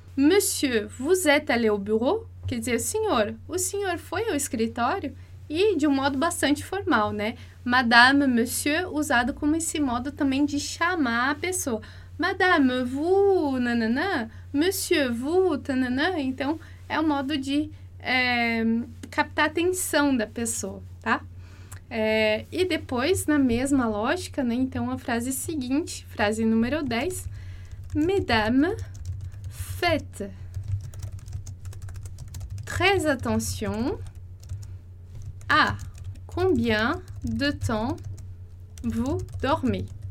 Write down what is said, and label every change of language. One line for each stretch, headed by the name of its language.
French: Monsieur, vous êtes allé au bureau?
Portuguese: Quer dizer, o senhor foi ao escritório? E de um modo bastante formal, né? Madame, monsieur, usado como esse modo também de chamar a pessoa.
French: Madame, vous, nananã. Monsieur, vous, tananã.
Portuguese: Então, é um modo de captar a atenção da pessoa, tá? E depois, na mesma lógica, né? Então, a frase seguinte, frase número 10.
French: Mesdames, faites très attention. Ah, combien de temps vous dormez?